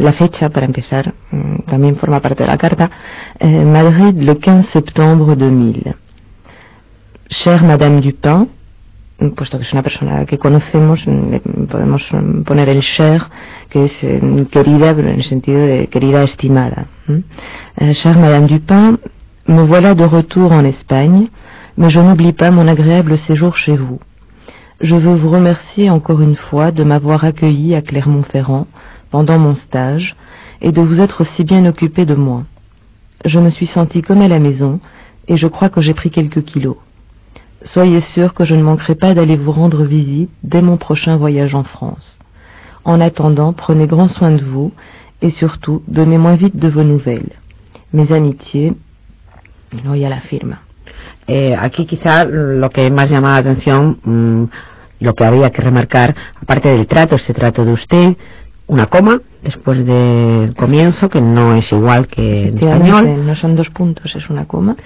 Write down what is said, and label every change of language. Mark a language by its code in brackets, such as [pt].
[es] La fecha, para empezar, también forma parte de la carta. Madrid, [fr] le 15 septiembre 2000. Chère Madame Dupin, [es] puesto que es una persona que conocemos, podemos poner el cher, que es querida, pero en el sentido de querida, estimada. [fr] Chère Madame Dupin, me voilà de retour en Espagne, mais je n'oublie pas mon agréable séjour chez vous. Je veux vous remercier encore une fois de m'avoir accueilli à Clermont-Ferrand pendant mon stage et de vous être si bien occupé de moi. Je me suis sentie comme à la maison et je crois que j'ai pris quelques kilos. Soyez sûr que je ne manquerai pas d'aller vous rendre visite dès mon prochain voyage en France. En attendant, prenez grand soin de vous et surtout, donnez-moi vite de vos nouvelles. Mes amitiés, [es] voy a la firma. Aquí quizá lo que más llama la atención, lo que había que remarcar, aparte del trato, ese trato de usted, una coma después del comienzo, que no es igual que en español. No son dos puntos, es una coma.